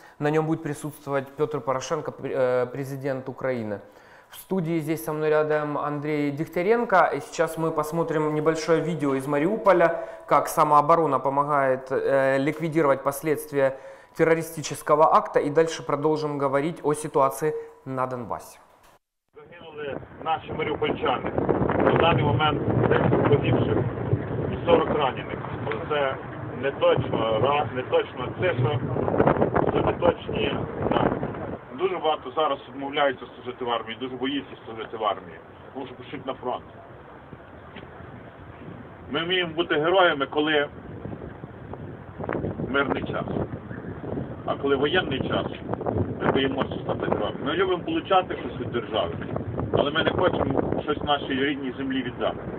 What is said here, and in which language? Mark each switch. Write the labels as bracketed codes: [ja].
[ru] На нем будет присутствовать Петр Порошенко, президент Украины. В студии здесь со мной рядом Андрей Дегтяренко. И сейчас мы посмотрим небольшое видео из Мариуполя, как самооборона помогает ликвидировать последствия террористического акта. И дальше продолжим говорить о ситуации на Донбассе. [uk] Загинули наши маріупольчани. [ru] На данный момент 10 погибших и 40 раненых. Но это не точно, не точно цифра. [uk] Точні, так. Дуже багато зараз відмовляються служити в армії, дуже боїться служити в армії, тому що пішуть на фронт. Ми вміємо бути героями, коли мирний час. А коли воєнний час, ми боїмося стати героями. Ми любимо получати щось від держави, але ми не хочемо щось нашій рідній землі віддати.